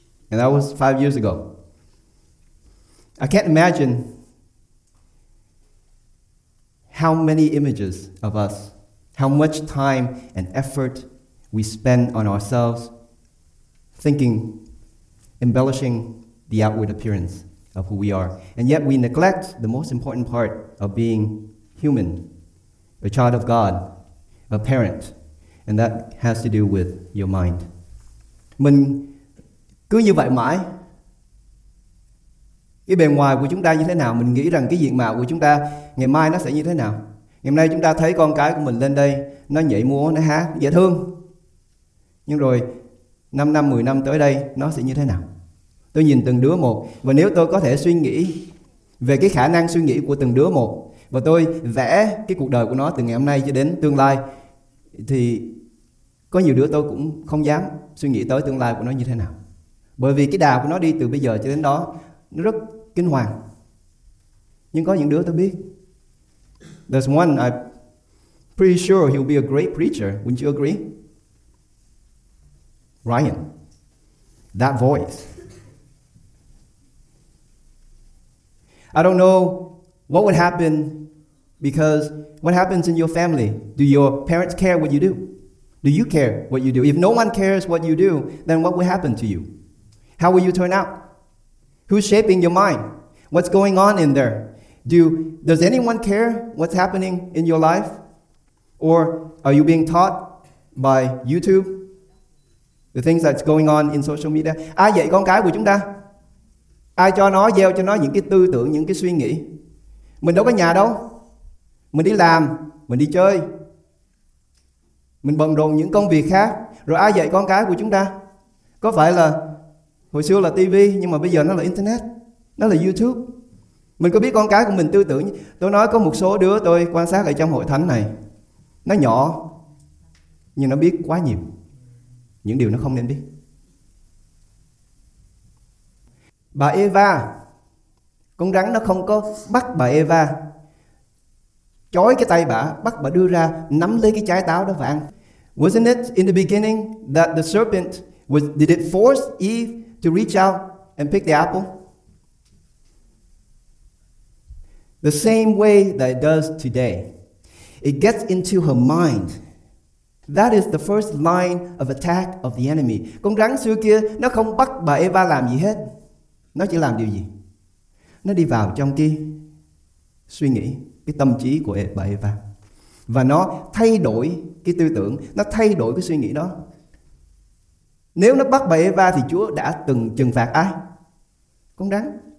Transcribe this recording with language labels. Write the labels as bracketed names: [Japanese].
[English] And that was 5 years ago. I can't imagine how many images of us, how much time and effort we spend on ourselves thinking, embellishing the outward appearance of who we are. And yet we neglect the most important part of being human, a child of God, a parent. And that has to do with your mind. [Vietnamese] Mình cứ như vậy mãi. Cái bề ngoài của chúng ta như thế nào? Mình nghĩ rằng cái diện mạo của chúng ta ngày mai nó sẽ như thế nào? Ngày hôm nay chúng ta thấy con cái của mình lên đây, nó nhảy múa, nó hát, dễ thương. Nhưng rồi 5 năm, 10 năm tới đây nó sẽ như thế nào? Tôi nhìn từng đứa một. Và nếu tôi có thể suy nghĩ về cái khả năng suy nghĩ của từng đứa một, và tôi vẽ cái cuộc đời của nó từ ngày hôm nay cho đến tương lai, thì có nhiều đứa tôi cũng không dám suy nghĩ tới tương lai của nó như thế nào. Bởi vì cái đà của nó đi từ bây giờ cho đến đó, nó rất kinh hoàng. Nhưng có những đứa tôi biết. [English] There's one I'm pretty sure he'll be a great preacher. Wouldn't you agree? Ryan. That voice. I don't know what would happen because what happens in your family? Do your parents care what you do? Do you care what you do? If no one cares what you do, then what will happen to you? How will you turn out? Who's shaping your mind? What's going on in there? Does anyone care what's happening in your life? Or are you being taught by YouTube? The things that's going on in social media. [Vietnamese] Ai dạy con cái của chúng ta? Ai cho nó, gieo cho nó những cái tư tưởng, những cái suy nghĩ? Mình đâu có nhà đâu. Mình đi làm, mình đi chơi. Mình bận rộn những công việc khác. Rồi ai dạy con cái của chúng ta? Có phải là hồi xưa là TV, nhưng mà bây giờ nó là Internet. Nó là YouTube. Mình có biết con cái của mình tư tưởng. Tôi nói có một số đứa tôi quan sát ở trong hội thánh này. Nó nhỏ, nhưng nó biết quá nhiều những điều nó không nên biết. Bà Eva, con rắn nó không có bắt bà Eva, chói cái tay bà, bắt bà đưa ra nắm lấy cái trái táo đó và ăn. [English] Wasn't it in the beginning that the serpent was, did it force Eve to reach out and pick the apple? The same way that it does today. It gets into her mind. That is the first line of attack of the enemy. [Vietnamese] Con rắn xưa kia nó không bắt bà Eva làm gì hết. Nó chỉ làm điều gì? Nó đi vào trong cái suy nghĩ, cái tâm trí của bà Eva. Và nó thay đổi cái tư tưởng, nó thay đổi cái suy nghĩ đó. Nếu nó bắt bà Eva thì Chúa đã từng trừng phạt ai? Con rắn.